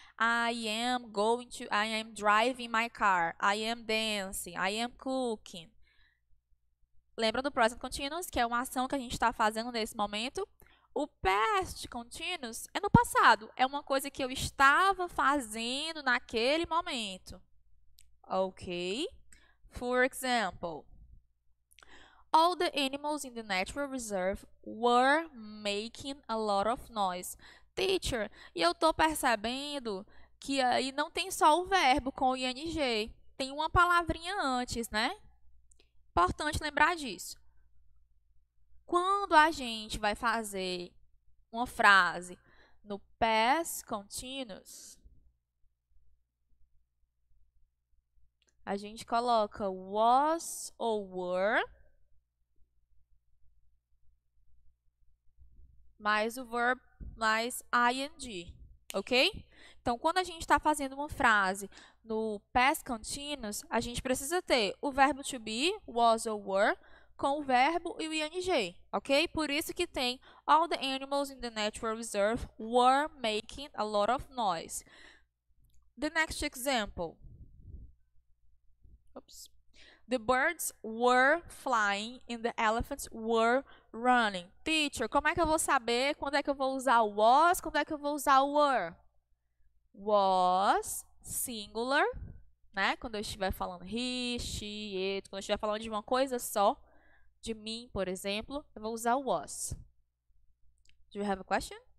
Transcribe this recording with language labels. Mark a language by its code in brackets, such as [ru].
[en] I am going to, I am driving my car, I am dancing, I am cooking. [pt] Lembra do present continuous, que é uma ação que a gente está fazendo nesse momento? O past continuous é no passado. É uma coisa que eu estava fazendo naquele momento. Ok? [en] For example, all the animals in the natural reserve were making a lot of noise. [pt] Teacher, e eu estou percebendo que aí não tem só o verbo com o ing. Tem uma palavrinha antes, né? Importante lembrar disso. Quando a gente vai fazer uma frase no past continuous, a gente coloca was ou were, mais o verb, mais ing, ok? Então, quando a gente está fazendo uma frase no past continuous, a gente precisa ter o verbo to be, was ou were, com o verbo e o ing, ok? Por isso que tem all the animals in the natural reserve were making a lot of noise. [en] The next example. Oops. The birds were flying and the elephants were running. [pt] Teacher, como é que eu vou saber quando é que eu vou usar o was, quando é que eu vou usar o were? Was, singular, né? Quando eu estiver falando he, she, it, quando eu estiver falando de uma coisa só, de mim, por exemplo, eu vou usar o was. [en] Do you have a question?